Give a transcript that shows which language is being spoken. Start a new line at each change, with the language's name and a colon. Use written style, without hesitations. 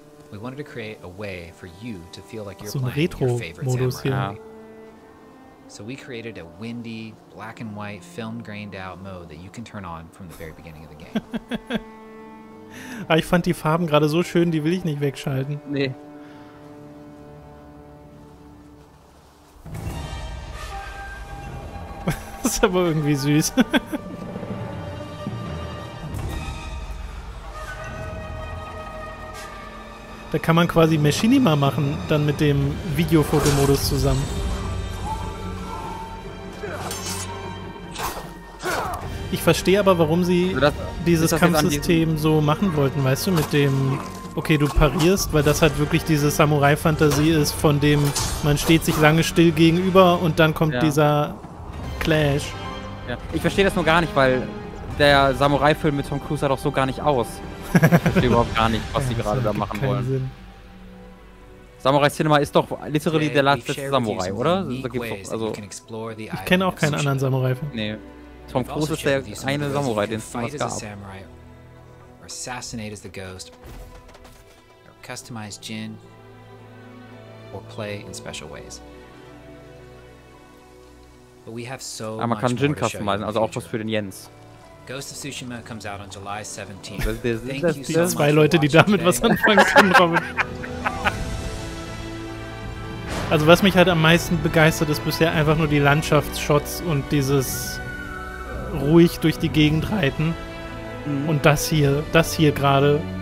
English: We wanted to create a way for you to feel like you're playing your favorite samurai. So we created a windy, black and white, film grained out mode that you can turn on from the very beginning of the game.
German: Ah, ich fand die Farben gerade so schön, die will ich nicht wegschalten. Nee. Das ist aber irgendwie süß. Da kann man quasi Machinima machen, dann mit dem Videofotomodus zusammen. Ich verstehe aber, warum sie dieses Kampfsystem so machen wollten, weißt du, mit dem, okay, du parierst, weil das halt wirklich diese Samurai-Fantasie ist, von dem man steht sich lange still gegenüber und dann kommt dieser Clash. Ja. Ich verstehe das nur gar nicht, weil der Samurai-Film mit Tom Cruise sah doch so gar nicht aus. Ich verstehe überhaupt gar nicht, was sie gerade da machen wollen. Sinn. Samurai Cinema ist doch literally der letzte Samurai, oder? Da gibt's doch, also ich kenne auch keinen anderen Samurai-Film. Nee. Tom Cruise ist der eine Samurai, den es gab.
English: Or assassinate as the ghost, or customize Jin, or play in special ways. But we have so much.
German: Man kann Jin customizen, also auch was für den Jens.
English: Ghost of Tsushima comes out on July 17th. Thank you so much.
German: Das sind zwei Leute, die damit was anfangen können, Robin. Also was mich halt am meisten begeistert, ist bisher einfach nur die Landschaftsshots und dieses ruhig durch die Gegend reiten. Mhm. Und das hier gerade.